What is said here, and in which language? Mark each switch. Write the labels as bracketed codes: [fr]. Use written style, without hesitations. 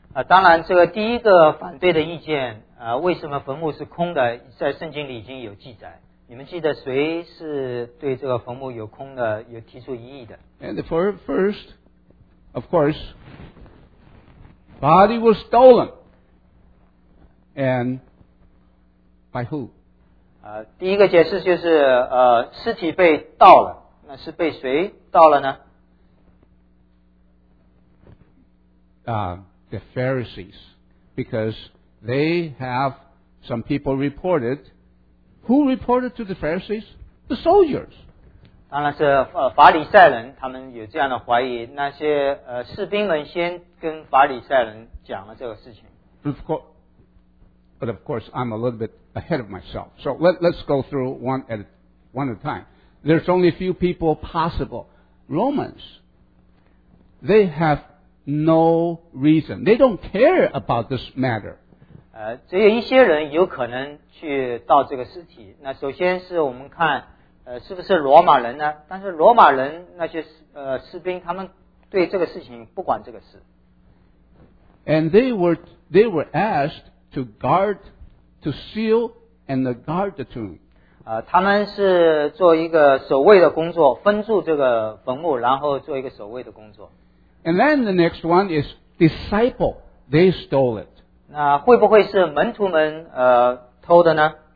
[zh] 当然这个第一个反对的意见，为什么坟墓是空的，在圣经里已经有记载。你们记得谁是对这个坟墓有空的有提出异议的？ [en] And the first, of course, body was stolen. And by who? [zh] 第一个解释就是尸体被盗了，那是被谁盗了呢？ [en] The Pharisees, because they have some people reported. Who reported to the Pharisees? The soldiers. [zh] 当然是法利赛人，他们有这样的怀疑。那些士兵们先跟法利赛人讲了这个事情。 [en] But of course, I'm a little bit ahead of myself. So let's go through one at a time. There's only a few people possible. Romans, they have no reason. They don't care about this matter. [zh] 只有一些人有可能去盗这个尸体。那首先是我们看是不是罗马人呢？但是罗马人那些士兵他们对这个事情不管这个事。 [en] And they were asked to guard, to seal and to guard the tomb. [zh] 他们是做一个守卫的工作，封住这个坟墓，然后做一个守卫的工作。 [en] And then the next one is disciple. They stole it. [zh] 那会不会是门徒们偷的呢？